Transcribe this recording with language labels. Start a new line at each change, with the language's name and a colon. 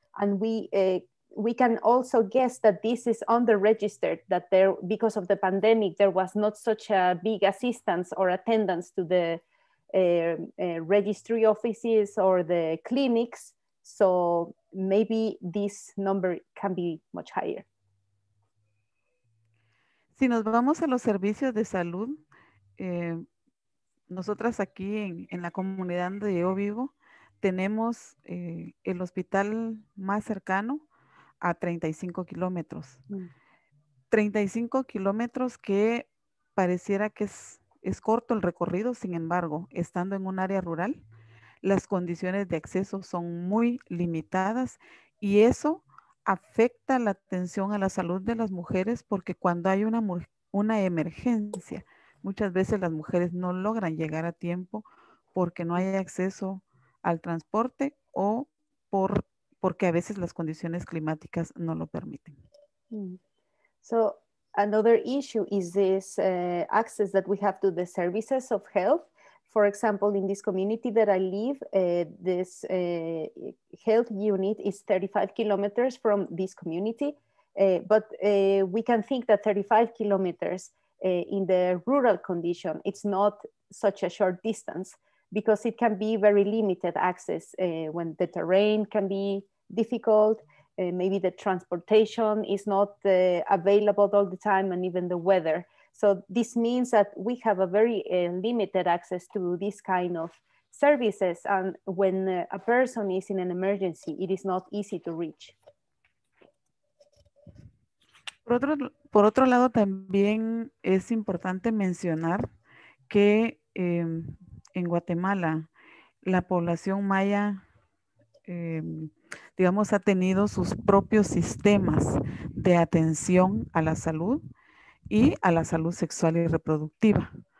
English: And we can also guess that this is underregistered, that there, because of the pandemic, there was not such a big assistance or attendance to the registry offices or the clinics. So maybe this number can be much higher.
Spanish: Si nos vamos a los servicios de salud, nosotras aquí en la comunidad donde yo vivo, tenemos el hospital más cercano a 35 kilómetros. 35 kilómetros que pareciera que es corto el recorrido, sin embargo, estando en un área rural, las condiciones de acceso son muy limitadas y eso afecta la atención a la salud de las mujeres, porque cuando hay una emergencia, muchas veces las mujeres no logran llegar a tiempo porque no hay acceso al transporte o porque a veces las condiciones climáticas no lo permiten.
English: So another issue is this access that we have to the services of health. For example, in this community that I live, this health unit is 35 kilometers from this community. But we can think that 35 kilometers in the rural condition, it's not such a short distance, because it can be very limited access when the terrain can be difficult, maybe the transportation is not available all the time, and even the weather. So this means that we have a very limited access to this kind of services. And when a person is in an emergency, it is not easy to reach.
Spanish: Por otro lado, también es importante mencionar que en Guatemala, la población maya, digamos, ha tenido sus propios sistemas de atención a la salud y a la salud sexual y reproductiva.